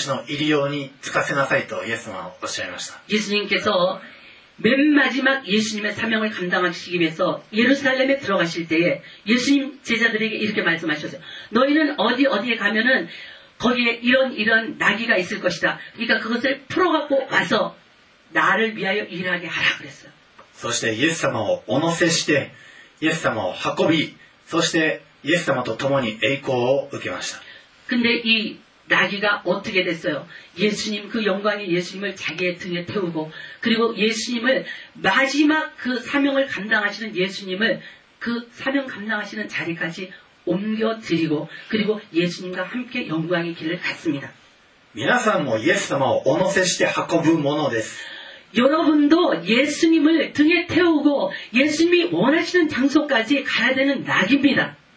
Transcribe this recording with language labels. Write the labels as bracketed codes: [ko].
[ja] イエス様がイスラエルに入場した時ロバはイエス様によってもうこれこれの場所にこういうロバがいるからそれをほどいて私の入り用に使わせなさいとイエス様はおっしゃいました。 [ko] 예수님께서 맨 마지막 예수님의 사명을 감당하시기 위해서 예루살렘에 들어가실 때에 예수님 제자들에게 이렇게 말씀하셨어요. 너희는 어디 어디에 가면은 거기에 이런 이런 나귀가 있을 것이다. 그러니까 그것을 풀어갖고 와서 나를 위하여 일하게 하라 그랬어요. [ja] そしてイエス様をお乗せして、イエス様を運び、そしてイエス様と共に栄光を受けました。 [ko] 근데 이 나귀가 어떻게 됐어요? 예수님 그 영광의 예수님을 자기의 등에 태우고 그리고 예수님을 마지막 그 사명을 감당하시는 예수님을 그 사명 감당하시는 자리까지 옮겨드리고 그리고 예수님과 함께 영광의 길을 갔습니다. [ja] 皆さんもイエス様をお乗せして運ぶものです。 [ko] 여러분도 예수님을 등에 태우고 예수님이 원하시는 장소까지 가야 되는 낙입니다.